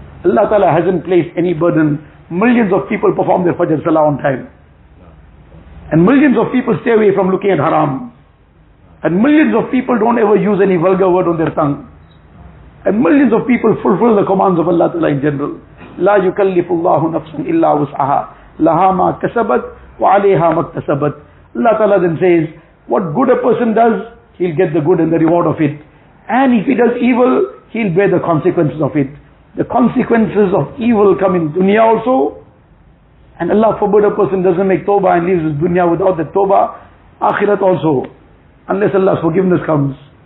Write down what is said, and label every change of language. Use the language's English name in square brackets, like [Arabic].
[English] Allah Ta'ala hasn't placed any burden. Millions of people perform their Fajr Salah on time. And millions of people stay away from looking at haram. And millions of people don't ever use any vulgar word on their tongue. And millions of people fulfill the commands of Allah Ta'ala in general. [Arabic] لا يكلف الله نفسا إلا وسعها لها ما كسبت وعليها ما اكتسبت. [English] Allah Ta'ala then says, what good a person does, he'll get the good and the reward of it. And if he does evil, he'll bear the consequences of it. The consequences of evil come in dunya also. And Allah forbid a person doesn't make tawbah and leaves his dunya without the tawbah, akhirat also, unless Allah's forgiveness comes.